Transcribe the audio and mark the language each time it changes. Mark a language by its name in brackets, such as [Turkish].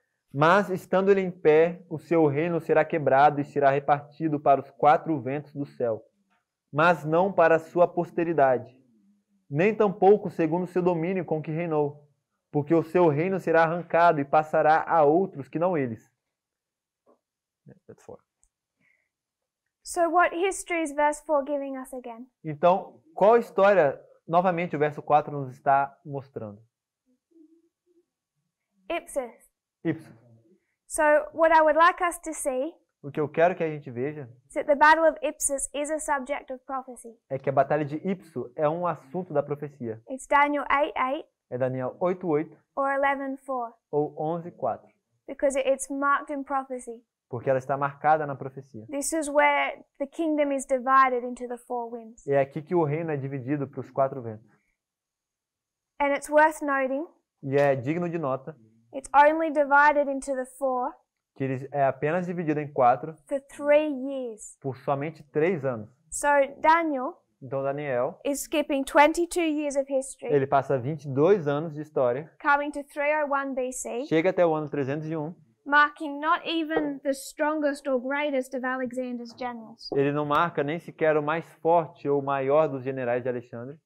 [Portuguese] Mas, estando ele em pé, o seu reino será quebrado e será repartido para os quatro ventos do céu, mas não para a sua posteridade, nem tampouco segundo o seu domínio com que reinou, porque o seu reino será arrancado e passará a outros que não eles. [English] So what history is verse 4 giving us again? [Portuguese] Então, qual história... Novamente, o verso 4 nos está mostrando. [English] Ipsus. So, what I would like us to see. [Portuguese] O que eu quero que a gente veja. [English] Is that the Battle of Ipsus is a subject of prophecy. [Portuguese] É que a Batalha de Ipsus é um assunto da profecia. [English] It's Daniel 8:8. [Portuguese] É Daniel 8:8. [English] Or 11:4. [Portuguese] Ou 11:4. [English] Because it's marked in prophecy. [Portuguese] Porque ela está marcada na profecia. [English] This is where the kingdom is divided into the four winds. [Portuguese] É aqui que o reino é dividido para os quatro ventos. [English] And it's worth noting. [Portuguese] E é digno de nota. [English] It's only divided into the four. [Portuguese] Que é apenas dividido em quatro. [English] For 3 years. [Portuguese] Por somente 3 anos. [English] So Daniel. [Portuguese] Então Daniel. [English] Is skipping 22 years of history. [Portuguese] Ele passa 22 anos de história. [English] Coming to 301 BC. [Portuguese] Chega até o ano 301. [English] Marking not even the strongest or greatest of Alexander's generals. [Portuguese] Ele não marca nem sequer o mais forte ou maior dos generais de Alexandre.